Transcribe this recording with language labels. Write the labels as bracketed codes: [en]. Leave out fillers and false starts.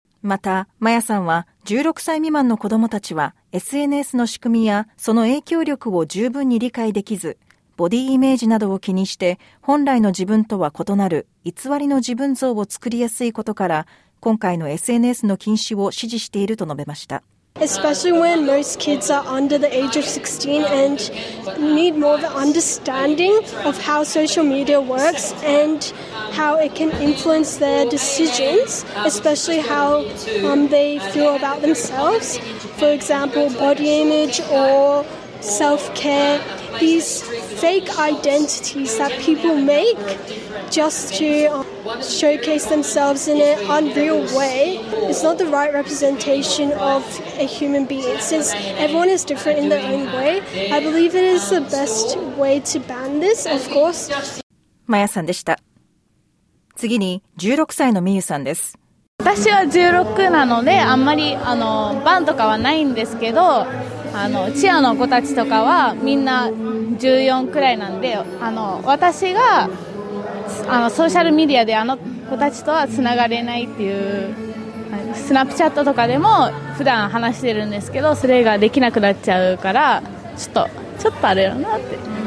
[ja] また、まやさんは、16歳未満の子どもたちは、SNS の仕組みやその影響力を十分に理解できず、ボディイメージなどを気にして、本来の自分とは異なる偽りの自分像を作りやすいことから、今回の SNS の禁止を支持していると述べました。 [en] Especially when most kids are under the age of 16 and need more of an understanding of how social media works and how it can influence their decisions, especially how they feel about themselves. For example, body image or self-care. These fake identities that people make just to showcase themselves in an unreal way is not the right representation of a human being. Since everyone is different in their own way, I believe it is the best way to ban this, of course. [ja] まやさんでした。次に16歳のみゆさんです。私は16なのであんまりバンとかはないんですけど、チアの子たちとかはみんな14くらいなんで、私がソーシャルメディアであの子たちとはつながれないっていう、スナップチャットとかでも普段話してるんですけど、それができなくなっちゃうからちょっとあれだなって。